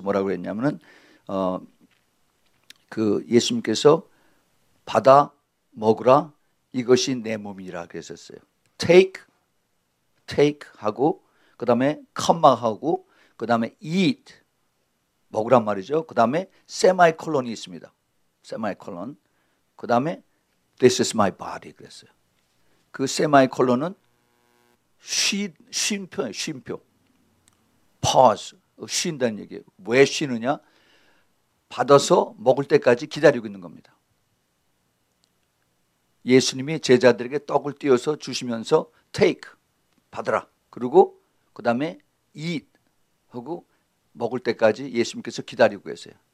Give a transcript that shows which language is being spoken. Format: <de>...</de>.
<ko>뭐라고 했냐면은 그 예수님께서 받아 먹으라 이것이 내 몸이라 그랬었어요. Take 하고 그 다음에 comma 하고 그 다음에 eat 먹으란 말이죠. 그 다음에 semicolon이 있습니다. semicolon 그 다음에</ko> <en>this is my body</en> <ko>그랬어요. 그 semicolon은 쉼표 pause 쉰다는 얘기예요. 왜 쉬느냐? 받아서 먹을 때까지 기다리고 있는 겁니다. 예수님이 제자들에게 떡을 띄워서 주시면서 take 받으라 그리고 그 다음에 eat 하고 먹을 때까지 예수님께서 기다리고 계세요.</ko>